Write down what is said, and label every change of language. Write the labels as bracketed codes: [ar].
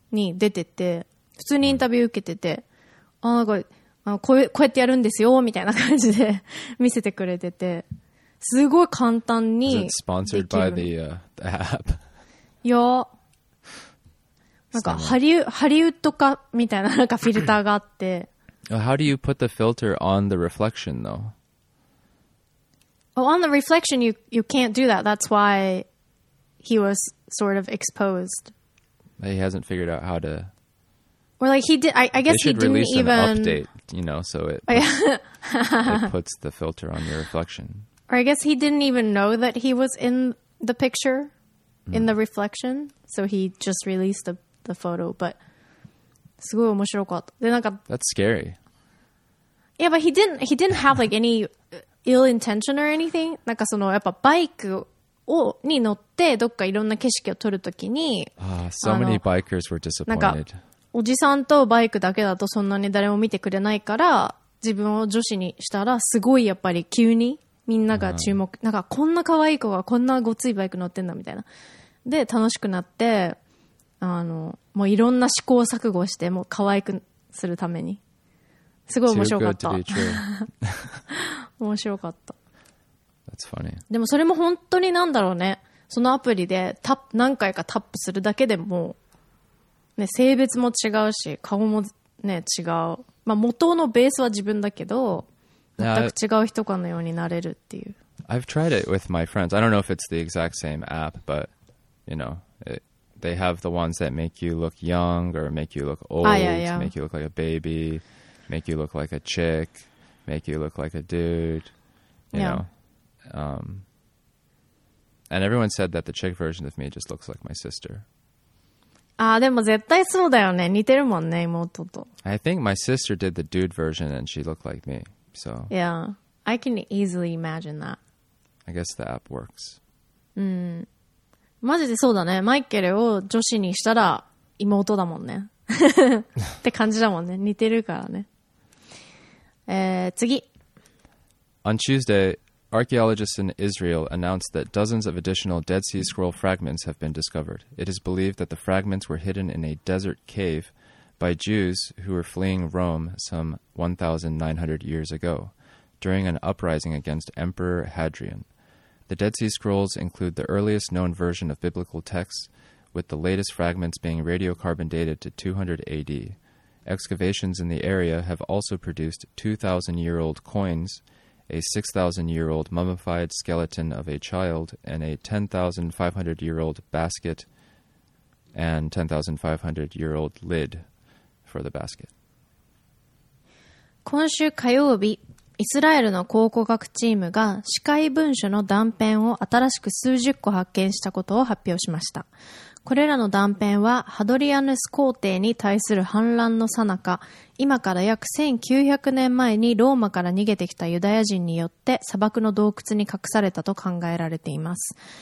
[ja] に出てて、普通にインタビュー受けてて、こうやってやるんですよみたいな感じで見せてくれてて、すごい簡単にできる。 [en] Is it sponsored by the app? [ja] いや、なんかハリウッド化みたいななんかフィルターがあって。 [en] How do you put the filter on the reflection though? Oh, on the reflection you can't do that. That's why he was sort of exposed. He hasn't figured out how to. Or like he did. I guess he didn't even. They should release an update, you know, so it puts the filter on your reflection. Or I guess he didn't even know that he was in the picture, in the reflection. So he just released the photo. But [ja] すごい面白かった。で、なんか、 [en] That's scary. Yeah, but he didn't have like any ill intention or anything. [ja] なんかそのやっぱバイクをに乗ってどっかいろんな景色を撮るときに、 [en] so many bikers were disappointed. [ja] なんかおじさんとバイクだけだとそんなに誰も見てくれないから、自分を女子にしたらすごいやっぱり急にみんなが注目、なんかこんな可愛い子がこんなごついバイク乗ってんだみたいな、で楽しくなって、もういろんな試行錯誤してもう可愛くするために、すごい面白かった。 [en] Too good to be true. [ja] 面白かった。 [en] That's funny. [ja] でもそれも本当になんだろうね、そのアプリでタップ何回かタップするだけでも、ね、性別も違うし顔も、ね、違う、まあ、元のベースは自分だけど全く違う人かのようになれるっていう。 [en] I've tried it with my friends. I don't know if it's the exact same app, but you know, they have the ones that make you look young or make you look old, make you look like a baby, make you look like a chick, make you look like a dude, you know. And everyone said that the chick version of me just looks like my sister. [ja] Ah, でも絶対そうだよね。似てるもんね、妹と。 [en] I think my sister did the dude version and she looked like me. So yeah, I can easily imagine that. I guess the app works. [ja] マジでそうだね。マイケルを女子にしたら妹だもんねって感じだもんね似てるからね、次 [en] On Tuesday, archaeologists in Israel announced that dozens of additional Dead Sea Scroll fragments have been discovered. It is believed that the fragments were hidden in a desert cave by Jews who were fleeing Rome some 1,900 years ago during an uprising against Emperor Hadrian. The Dead Sea Scrolls include the earliest known version of biblical texts, with the latest fragments being radiocarbon dated to 200 AD. Excavations in the area have also produced 2,000-year-old coins, a 6,000-year-old mummified skeleton of a child, and a 10,500-year-old basket and 10,500-year-old lid for the basket. [ja] 今週火曜日、イスラエルの考古学チームが死骸文書の断片を新しく数十個発見したことを発表しました。これらの断片はハドリアヌス皇帝に対する反乱の最中、今から約1900年前にローマから逃げてきたユダヤ人によって砂漠の洞窟に隠されたと考えられています。